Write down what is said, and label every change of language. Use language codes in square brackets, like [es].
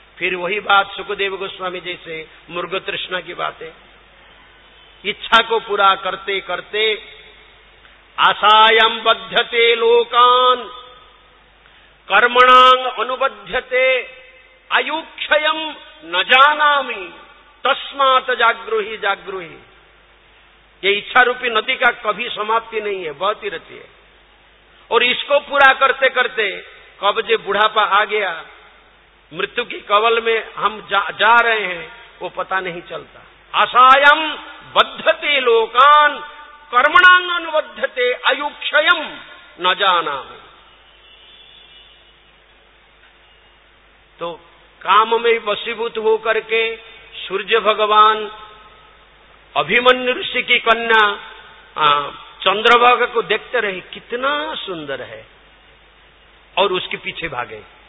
[hi] फिर वही बात सुखदेव गोस्वामी जैसे मुर्ग तृष्णा की बात है, इच्छा को पूरा करते करते [sa] आशायां बध्यते लोकान कर्मणां अनुबध्यते आयुक्षयम् न जानामि तस्मात् जागृही जागृही। [hi] ये इच्छा रूपी नदी का कभी समाप्ति नहीं है, बहती रहती है, और इसको पूरा करते करते कब जे बुढ़ापा आ गया, मृत्यु की कवल में हम जा रहे हैं, वो पता नहीं चलता। [sa] आशायम बद्धते लोकान कर्मणां अनुबद्धते आयुक्षयम् न जानामि। [hi] तो काम में वशीभूत हो करके सूर्य भगवान अभिमन्यु ऋषि की कन्या चंद्रभागा को देखते रहे, कितना सुंदर है, और उसके पीछे भागे।